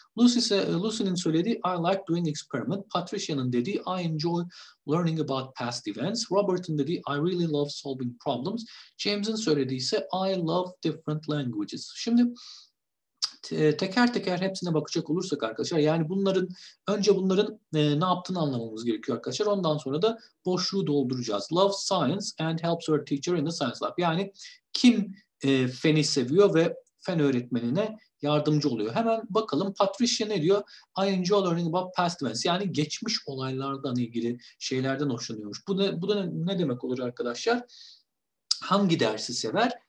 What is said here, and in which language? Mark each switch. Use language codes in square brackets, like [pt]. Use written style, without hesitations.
[tr] Lucy'nin söylediği [en] I like doing experiment. [tr] Patricia'nın dediği [en] I enjoy learning about past events. [tr] Robert'ın dediği [en] I really love solving problems. [tr] James'in söylediği ise [en] I love different languages. [tr] Şimdi teker teker hepsine bakacak olursak arkadaşlar, yani bunların ne yaptığını anlamamız gerekiyor arkadaşlar. Ondan sonra da boşluğu dolduracağız. [en] Love science and helps her teacher in the science lab. [tr] Yani kim feni seviyor ve fen öğretmenine yardımcı oluyor. Hemen bakalım Patricia ne diyor? [en] I enjoy learning about past events. [tr] Yani geçmiş olaylardan ilgili şeylerden hoşlanıyormuş. Bu da ne demek olur arkadaşlar? Hangi dersi sever?